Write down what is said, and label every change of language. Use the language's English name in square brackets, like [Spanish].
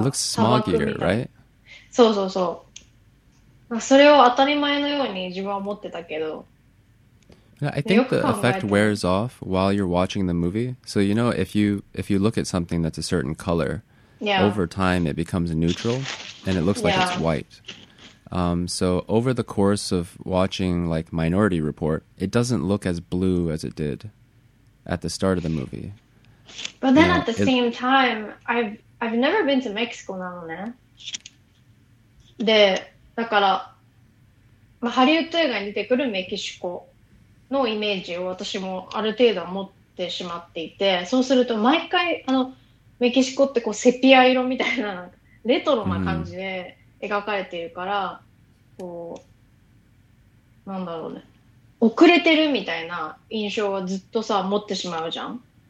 [English] It looks smoggier, right? [Japanese] そうそうそう。それを当たり前のように自分は思ってたけど。 [English] I think the effect wears off while you're watching the movie. So you know, if you look at something that's a certain color, yeah. over time it becomes neutral and it looks like yeah. it's white. So over the course of watching like Minority Report, it doesn't look as blue as it did at the start of the movie. But then you know, at the same time, I've never been to Mexico [Japanese] なのね。で、だから、まあ、ハリウッド映画に出てくるメキシコのイメージを私もある程度は持ってしまっていて、そうすると毎回あのメキシコってこうセピア色みたいなレトロな感じで描かれているから、こうなんだろうね、遅れてるみたいな印象はずっとさ持ってしまうじゃん。